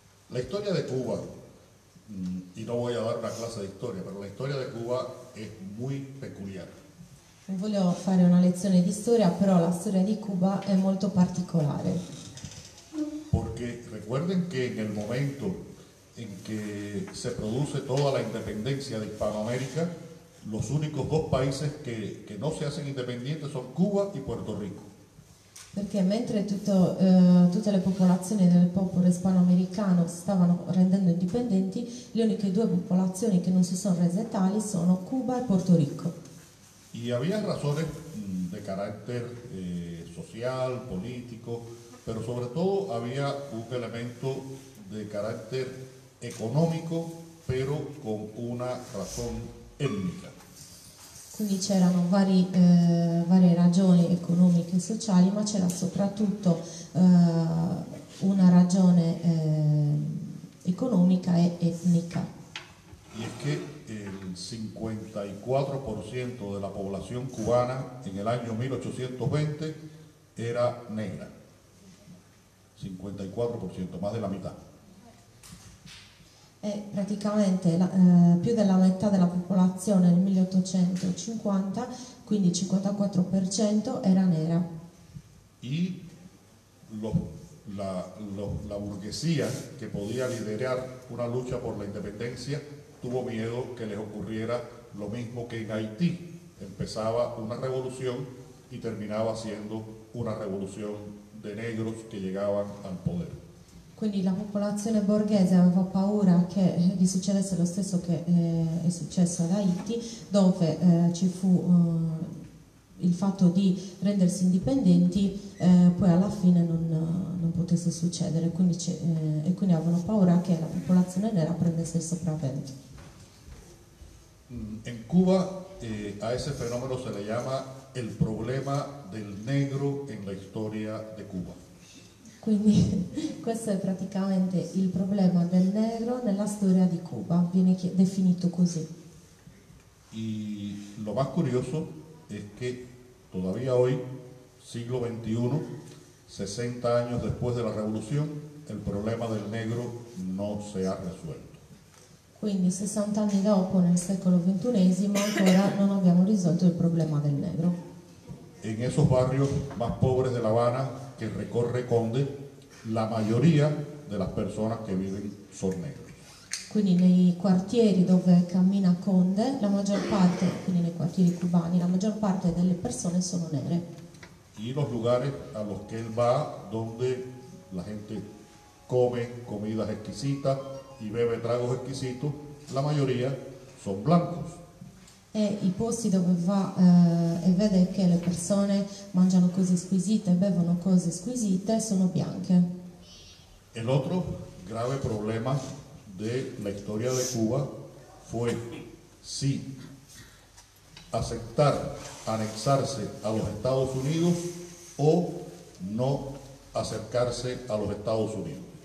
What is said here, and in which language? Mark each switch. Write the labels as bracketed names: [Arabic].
[Spanish] La historia de Cuba, y no voy a dar una clase de historia, pero la historia de Cuba es muy peculiar. [Italian] Non voglio fare una lezione di storia, però la storia di Cuba è molto particolare. [Spanish] Porque recuerden que en el momento en que se produce toda la independencia de Hispanoamérica, los únicos dos países que no se hacen independientes son Cuba y Puerto Rico. [Italian] Perché mentre tutte le popolazioni del popolo ispanoamericano stavano rendendo indipendenti, le uniche due popolazioni che non si sono rese tali sono Cuba e Porto Rico. [Spanish] Y había razones de carácter social, político, pero sobre todo había un elemento de carácter económico, pero con una razón étnica. [Italian] Quindi c'erano varie ragioni economiche e sociali, ma c'era soprattutto una ragione economica e etnica. [Spanish] Y es que el 54% de la población cubana en el año 1820 era negra. 54%, más de la mitad. [Italian] E praticamente più della metà della popolazione nel 1850, quindi il 54% era nera. [Spanish] Y la burguesía que podía liderar una lucha por la independencia tuvo miedo que les ocurriera lo mismo que en Haití. Empezaba una revolución y terminaba siendo una revolución de negros que llegaban al poder. [Italian] Quindi la popolazione borghese aveva paura che gli succedesse lo stesso che è successo ad Haiti, dove ci fu il fatto di rendersi indipendenti, poi alla fine non potesse succedere, quindi quindi avevano paura che la popolazione nera prendesse il sopravvento. [Spanish] In Cuba a ese fenomeno se le [Italian] chiama il [Spanish] problema del negro en la historia de Cuba. [Italian] Quindi questo è praticamente il problema del negro nella storia di Cuba, viene definito così. [Spanish] Y lo más curioso es que todavía hoy, siglo XXI, 60 años después de la revolución, el problema del negro no se ha resuelto. [Italian] Quindi 60 anni dopo, nel secolo XXI, ancora non abbiamo risolto il problema del negro. [Spanish] En esos barrios más pobres de La Habana que recorre Conde, la mayoría de las personas que viven son negros. [Italian] Quindi nei quartieri dove cammina Conde, la maggior parte, quindi nei quartieri cubani, la maggior parte delle persone sono nere. [Spanish] Y los lugares a los que él va, donde la gente come comidas exquisitas y bebe tragos exquisitos, la mayoría son blancos. [Italian] E i posti dove va e vede che le persone mangiano cose squisite, bevono cose squisite, sono bianche. [Spanish] El otro grave problema de la historia de Cuba fue si aceptar anexarse a los Estados Unidos o no acercarse a los Estados Unidos.